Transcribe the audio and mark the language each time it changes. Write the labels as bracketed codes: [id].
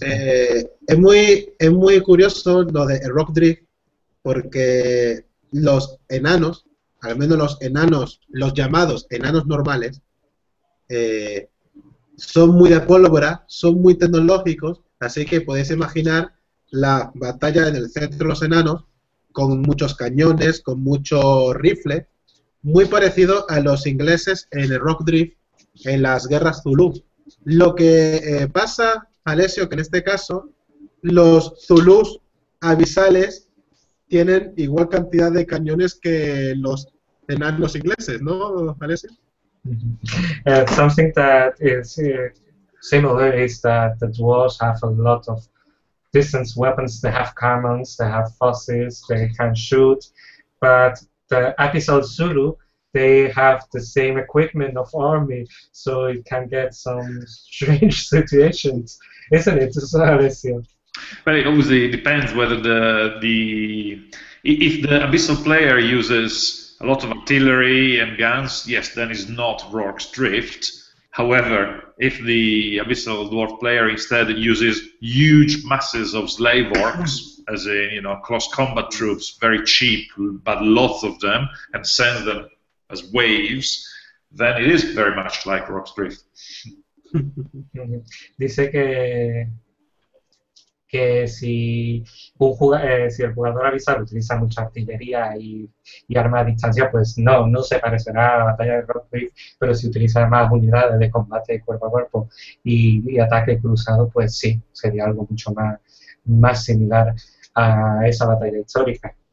[es] Es muy curioso lo de Rock Drift, porque los enanos, al menos los enanos, los llamados enanos normales, son muy de pólvora, son muy tecnológicos, así que podéis imaginar la batalla en el centro de los enanos, con muchos cañones, con mucho rifle, muy parecido a los ingleses en el Rock Drift, en las guerras Zulú. Lo que pasa, Alessio, que en este caso los Zulús abisales tienen igual cantidad de cañones que los enanos ingleses, ¿no, Alessio? [en] Something that is similar is that the dwarves have a lot of distance weapons, they have cannons, they have fuzzies, they can shoot, but the Abyssal Zulu, they have the same equipment of army, so it can get some strange situations, isn't it, Alessio? Well, it obviously depends whether if the Abyssal player uses a lot of artillery and guns, yes, then it's not Rorke's Drift. However, if the Abyssal Dwarf player instead uses huge masses of slave orcs, as in, you know, close combat troops, very cheap, but lots of them, and sends them as waves, then it is very much like Rorke's Drift. [es] Dice que si un si el jugador avisado utiliza mucha artillería y armas a distancia, pues no se parecerá a la batalla de Rorke's Drift, pero si utiliza más unidades de combate cuerpo a cuerpo y ataque cruzado, pues sí, sería algo mucho más similar a esa batalla histórica.